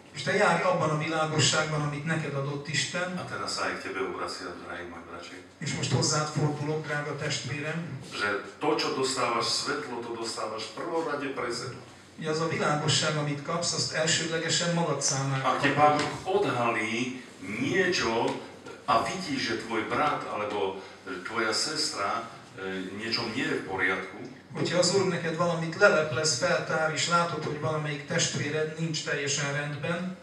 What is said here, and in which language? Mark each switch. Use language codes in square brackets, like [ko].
[hu] És te járj abban a világosságban, amit neked adott Isten. [sk] A teraz aj k tebe obracia, drahý môj bratče. [hu] És most hozzád fordulok, drága testvérem. [sk] Že to, čo dostávaš svetlo, to dostávaš prvorade pre seba. [hu] Mi az a világosság, amit kapsz, azt elsődlegesen magad számára. [sk] A te pár odhalí niečo a vidíš, že tvoj brat alebo tvoja sestra niečo nie je v poriadku. [hu] Hogyha az Úr neked valamit leleplez, feltár, és látod, hogy valamelyik testvéred nincs teljesen rendben,